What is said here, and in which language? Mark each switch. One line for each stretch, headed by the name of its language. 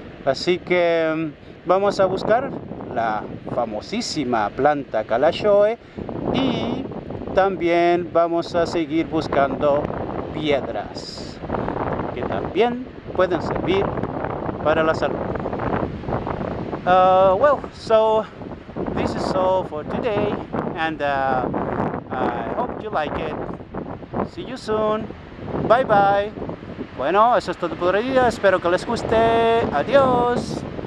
Spanish: Así que vamos a buscar la famosísima planta Kalanchoe y también vamos a seguir buscando piedras que también pueden servir para la salud.
English: Well, so this is all for today, and I hope you like it. See you soon. Bye bye.
Spanish: Bueno, eso es todo por hoy. Espero que les guste. Adiós.